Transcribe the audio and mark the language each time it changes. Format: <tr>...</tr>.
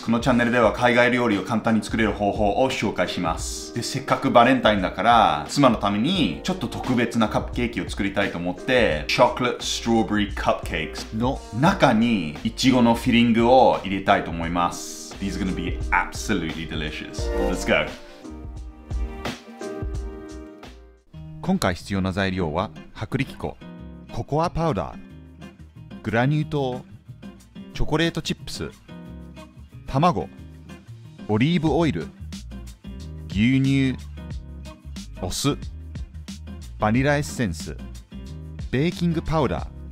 <ja>このチャンネルでは海外料理を簡単に作れる方法を紹介します。でせっかくバレンタインだから妻のためにちょっと特別なカップケーキを作りたいと思って、チョコレートストロベリーカップケーキの中にイチゴのフィリングを入れたいと思います。</ja> <en>These are gonna be absolutely delicious. Let's go。</en> <ja>今回必要な材料は薄力粉、ココアパウダー、グラニュー糖、チョコレートチップス、卵、オリーブオイル、牛乳、お酢、バニラエッセンス、ベーキングパウダー、</ja>